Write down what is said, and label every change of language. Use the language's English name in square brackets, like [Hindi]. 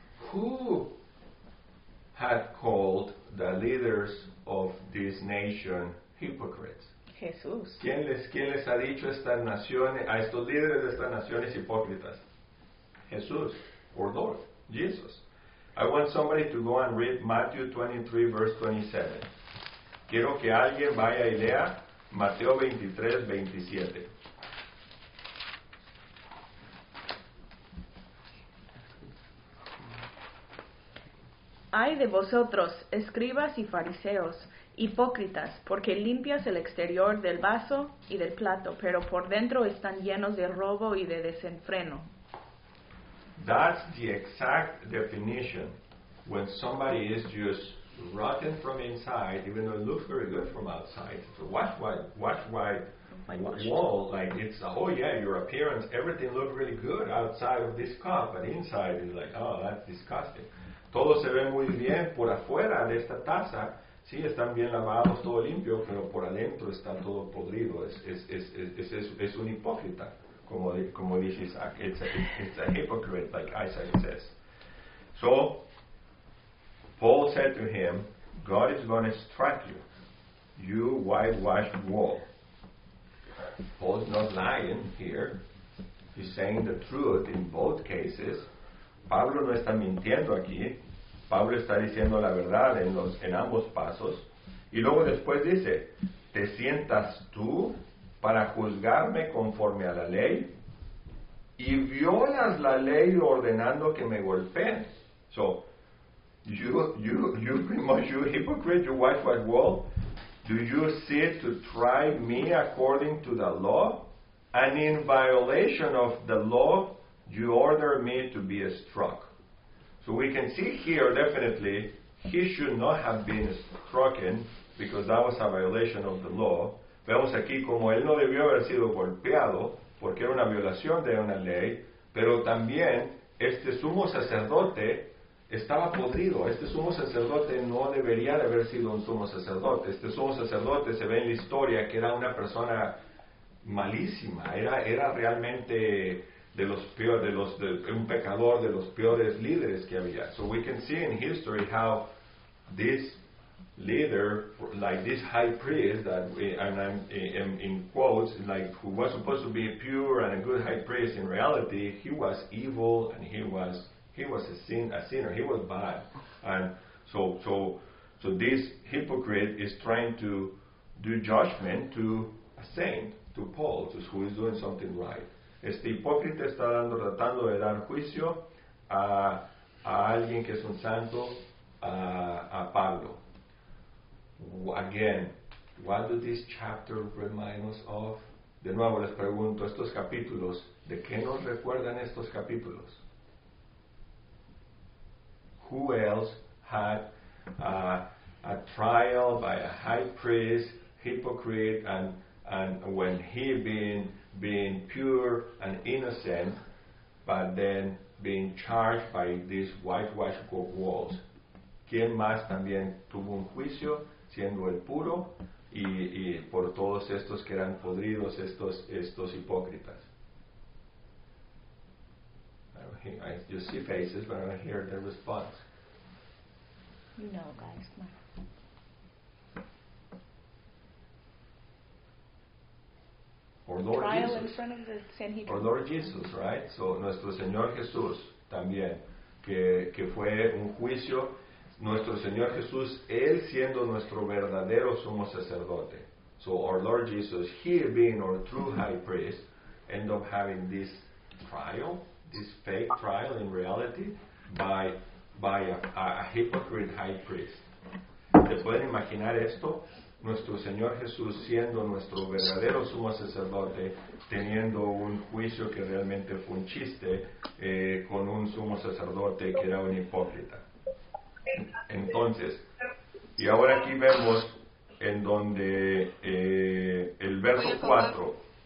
[English] Who had called the leaders of this nation hypocrites? [Spanish] Jesús. ¿Quién les ha dicho a estos líderes de estas naciones hipócritas? [English] Jesús. Or Lord. Jesus. I want somebody to go and read Matthew 23, verse 27. [Spanish] Quiero que alguien vaya y lea Mateo 23, 27. Ay de vosotros, escribas y fariseos, hipócritas, porque limpias el exterior del vaso y del plato, pero por dentro están llenos de robo y de desenfreno. [English] That's the exact definition. When somebody is just rotten from inside, even though it looks very good from outside, it's a wash white wall, like it's, oh yeah, your appearance, everything looks really good outside of this cup, but inside it's like, oh, that's disgusting. [Spanish] Todo se ve muy bien por afuera de esta taza. Sí, están bien lavados, todo limpio, pero por adentro está todo podrido. Es un hipócrita, como dice Isaac. [English] It's a hypocrite, like Isaac says. So, Paul said to him, God is going to strike you. You whitewashed wall. Paul's not lying here. He's saying the truth in both cases. [Spanish] Pablo no está mintiendo aquí. Pablo está diciendo la verdad en ambos pasos. Y luego después dice, ¿te sientas tú para juzgarme conforme a la ley? Y violas la ley ordenando que me golpeen. [English] So, you pretty much, you hypocrite, you whitewashed wall, do you sit to try me according to the law? And in violation of the law, you order me to be struck. So we can see here, definitely, he should not have been struck because that was a violation of the law. [Spanish] Vemos aquí como él no debió haber sido golpeado porque era una violación de una ley, pero también este sumo sacerdote estaba podrido. Este sumo sacerdote no debería de haber sido un sumo sacerdote. Este sumo sacerdote se ve en la historia que era una persona malísima. Era realmente de los peores, un pecador de los peores líderes que había. [English] So we can see in history how this leader, like this high priest, that we, and I'm in quotes, like who was supposed to be pure and a good high priest, in reality he was evil and he was a sinner, he was bad. And so this hypocrite is trying to do judgment to a saint to Paul, to who is doing something right. [Spanish] Este hipócrita está dando, tratando de dar juicio a alguien que es un santo, a Pablo. [English] Again, what does this chapter remind us of? [Spanish] De nuevo les pregunto, estos capítulos, ¿de qué nos recuerdan estos capítulos? [English] Who else had a trial by a high priest, hypocrite, and when he being pure and innocent, but then being charged by these whitewashed walls? [Spanish] ¿Quién más también tuvo un juicio siendo el puro y por todos estos que eran podridos, estos hipócritas? [English] I just see faces, but I don't hear the response. You know, guys. Come on. Or Lord Jesus, right? [Spanish] So, nuestro Señor Jesús también, que fue un juicio. Nuestro Señor Jesús, Él siendo nuestro verdadero sumo sacerdote. [English] So, our Lord Jesus, He being our true high priest, end up having this trial, this fake trial in reality, by a hypocrite high priest. [Spanish] ¿Te pueden imaginar esto? Nuestro Señor Jesús siendo nuestro verdadero sumo sacerdote, teniendo un juicio que realmente fue un chiste con un sumo sacerdote que era un hipócrita. Entonces, y ahora aquí vemos en donde el verso 4.